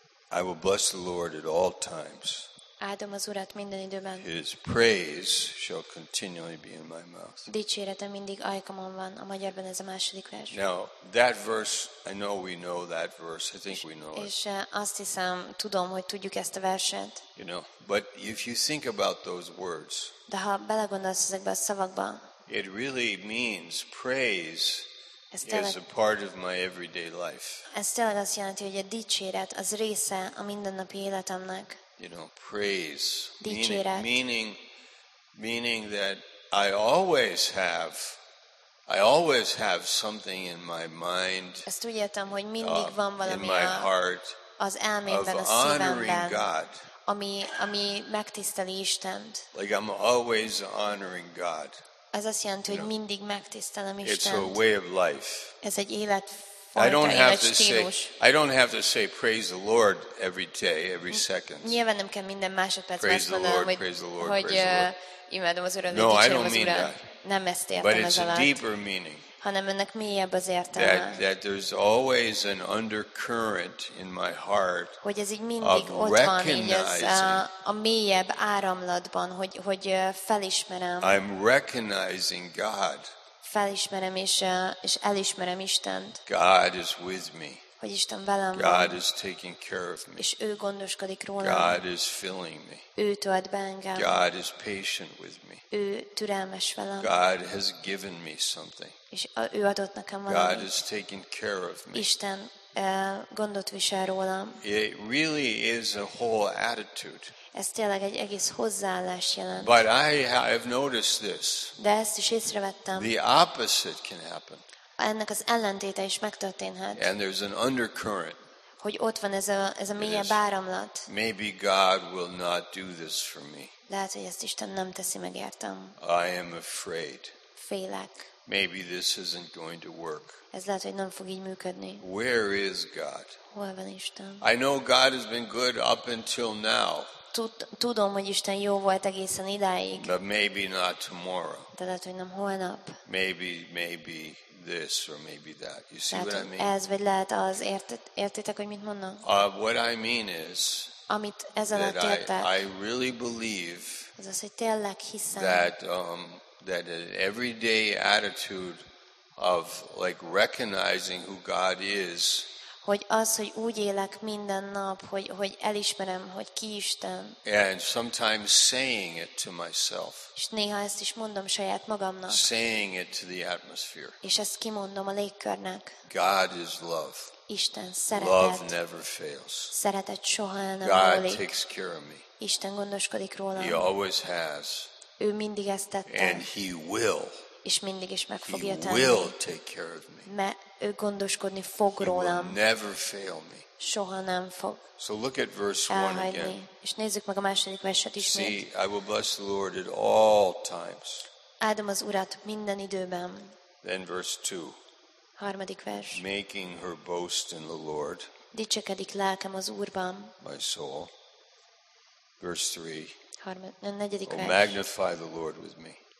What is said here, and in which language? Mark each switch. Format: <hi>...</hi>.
<en>I will bless the Lord at all times.</en> <hu>Áldom az Urat minden időben.</hu> <en>His praise shall continually be in my mouth.</en> <hu>Dicsérete mindig ajkamon van. A magyarban ez a második vers.</hu> <en>Now, that verse, I know we know that verse. I think we know it.</en> <hu>És azt hiszem, tudom, hogy tudjuk ezt a verset.</hu> <en>You know, but if you think about those words,</en> <hu>de ha belegondolsz ezekbe a szavakba,</hu> <en>it really means praise. It's a part of my everyday life.</en> <hu>Ez tényleg azt jelenti, hogy a dicséret az része a mindennapi életemnek.</hu> <en>You know, praise.</en> <hu>Dicséret.</hu> <en>Meaning that I always have something in my mind.</en> <hu>Ezt úgy értem, hogy mindig van valami az elmémben, a szívemben, ami megtiszteli Istent.</hu> <en>Like I'm always honoring God.</en> <hu>Ez azt jelenti, hogy mindig megtisztelem Istent.</hu> <en>It's a way of life.</en> <hu>Ez egy életfajta,</hu> <en>I don't have to say praise the Lord every day, every second.</en> <hu>Nyilván nem kell minden másodpercben azt mondanom, hogy imádom az Urat.</hu> <en>No, I don't mean that.</en> <hu>Nem ezt értem.</hu> <en>But it's a deeper meaning.</en> <hu>Hanem ennek mélyebb az értelme.</hu> <en>That there's always an undercurrent in my heart.</en> <hu>Hogy ez így mindig ott van, így ez a mélyebb áramlatban, hogy felismerem.</hu> <en>I'm recognizing God.</en> <hu>Felismerem és elismerem Istent.</hu> <en>God is with me.</en> <hu>Hogy Isten velem van.</hu> <en>God is taking care of me.</en> <hu>És ő gondoskodik rólam.</hu> <en>God is filling me.</en> <hu>Ő tölt be engem.</hu> <en>God is patient with me.</en> <hu>Ő türelmes velem.</hu> <en>God has given me something.</en> <hu>És ő adott nekem valamit.</hu> <en>God is taking care of me.</en> <hu>Isten gondot visel rólam.</hu> <en>It really is a whole attitude.</en> <hu>Ez tényleg egy egész hozzáállás jelent.</hu> <en>But I have noticed this.</en> <hu>De ezt is észrevettem.</hu> <en>The opposite can happen.</en> <hu>Ennek az ellentéte is megtörténhet.</hu> <en>And there's an undercurrent.</en> <hu>Hogy ott van ez a mélyebb áramlat.</hu> <en>Maybe God will not do this for me.</en> <hu>Lehet, hogy ezt Isten nem teszi meg értem.</hu> <en>I am afraid.</en> <hu>Félek.</hu> <en>Maybe this isn't going to work.</en> <hu>Ez lehet, hogy nem fog így működni.</hu> <en>Where is God?</en> <hu>Hol van Isten?</hu> <en>I know God has been good up until now.</en> <hu>Tudom, hogy Isten jó volt egészen idáig.</hu> <en>But maybe not tomorrow.</en> <hu>De lehet, hogy nem holnap.</hu> <en>Maybe this or maybe that. You see what I mean?</en> <hu>Ez vagy lehet az, értitek, hogy mit mondom?</hu> <en>What I mean is,</en> <hu>amit ez alatt értek,</hu> <en>I really believe,</en> <hu>ez az, hogy tényleg hiszem,</hu> <en>that an everyday attitude of like recognizing who God is,</en> <hu>hogy az, hogy úgy élek minden nap, hogy elismerem, hogy ki Isten.</hu> <en>And sometimes saying it to myself.</en> <hu>És néha ezt is mondom saját magamnak.</hu> <en>Saying it to the atmosphere.</en> <hu>És ezt kimondom a légkörnek.</hu> <en>God is love.</en> <hu>Isten szeretet.</hu> <en>Love never fails.</en> <hu>Szeretet soha el nem</hu> <en>God</en> <hu>múlik.</hu> <en>Takes care of me.</en> <hu>Isten gondoskodik rólam.</hu> <en>He always has.</en> <hu>Ő mindig ezt tette.</hu> <en>And he will.</en> <hu>És mindig is meg fogja tenni.</hu> <en>He will take care of me.</en> <hu>Mert ő gondoskodni fog rólam.</hu> <en>Never fail me.</en> <hu>Soha nem fog.</hu> <en>So look at verse 1 again.</en> <hu>És nézzük meg a második verset ismét.</hu> <en>See, I will bless the Lord at all times.</en> <hu>Áldom az Urat minden időben.</hu> <en>Then verse 2.</en> <hu>Harmadik vers.</hu> <en>Making her boast in the Lord.</en> <hu>Dicsekedik lelkem az Úrban.</hu> <en>My soul. Verse 3.</en> <hu>Negyedik vers.</hu> <en>Oh, magnify the Lord with me.</en>